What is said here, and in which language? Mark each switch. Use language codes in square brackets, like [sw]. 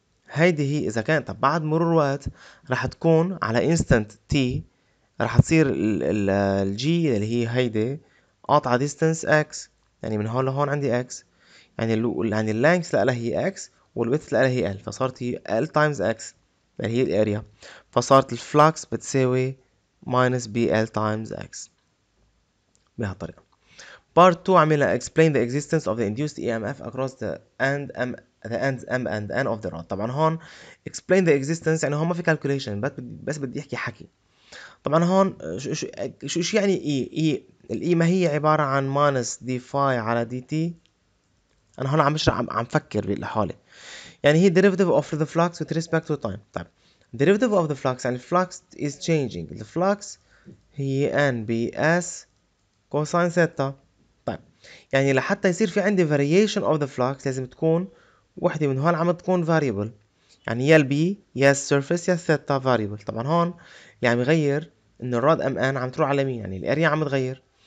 [ar] هيدي هي إذا كان، طب بعد مرور وقت راح تكون على instant t راح تصير ال G اللي هي هيدي قاطعة distance x، يعني من هون لهون عندي x، يعني ال length لها هي x وال width لها هي L، فصارت هي L times x اللي هي الاريا، فصارت الflux بتساوي minus BL times x بهالطريقة. [en] Part 2 عملها explain the existence of the induced EMF across the ends M and N of the rod. [ar] طبعا هون [en] explain the existence [ar] يعني هون ما في calculation، بس بدي احكي حكي. طبعا هون شو يعني E؟ E ال E ما هي عبارة عن minus d phi على dt. انا هون عم بشرح، عم فكر لحالي، يعني هي [en] derivative of the flux with respect to time. طيب derivative of the flux يعني flux is changing. The flux هي NBS cosine theta. [ar] يعني لحتى يصير في عندي [en] variation of the flux [ar] لازم تكون وحدة من هون عم تكون variable، يعني يا ال B يا ال surface يا ال theta variable. طبعا هون اللي عم يغير ان الراد MN عم تروح على مين، يعني ال area عم تغير.